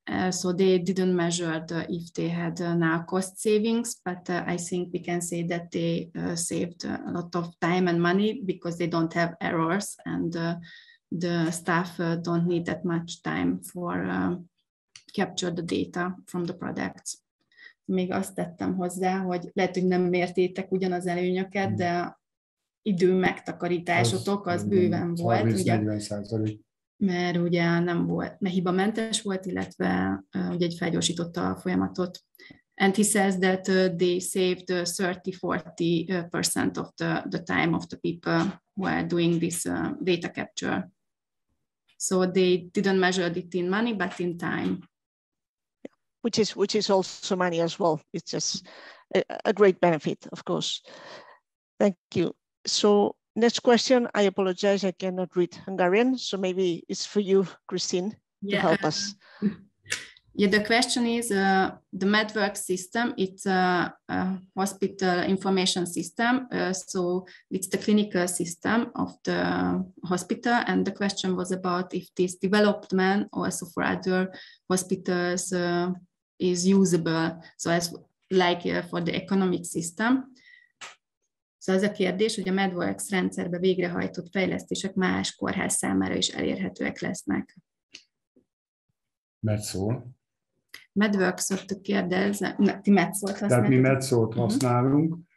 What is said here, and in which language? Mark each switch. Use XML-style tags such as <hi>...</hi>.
<en>So they didn't measure if they had now cost savings, but I think we can say that they saved a lot of time and money because they don't have errors, and the staff don't need that much time for capture the data from the products.</en> <hu>Még azt tettem hozzá, hogy lehet, hogy nem mértétek ugyanaz előnyöket, de idő megtakarításotok az bőven volt. 30-40%. Mert ugye nem volt, mert hibamentes volt, illetve ugye egy felgyorsította a folyamatot.</hu> <en>And he says that they saved 30-40% of the time of the people who are doing this data capture. So they didn't measure it in money, but in time. Which is also money as well. It's just a great benefit, of course. Thank you. So next question, I apologize, I cannot read Hungarian. So maybe it's for you, Christine, to help us. Yeah, the question is the MedWorx system, it's a hospital information system. So it's the clinical system of the hospital. And the question was about if this development also for other hospitals is usable. So as like for the economic system.</en> <hu>So az a kérdés, hogy a MedWorx rendszerbe végrehajtott fejlesztések más kórház számára is elérhetőek lesznek. MedWorx-ot kérdez, ti MedWorx-ot használunk. Tehát mi MedWorx-ot használunk.</hu>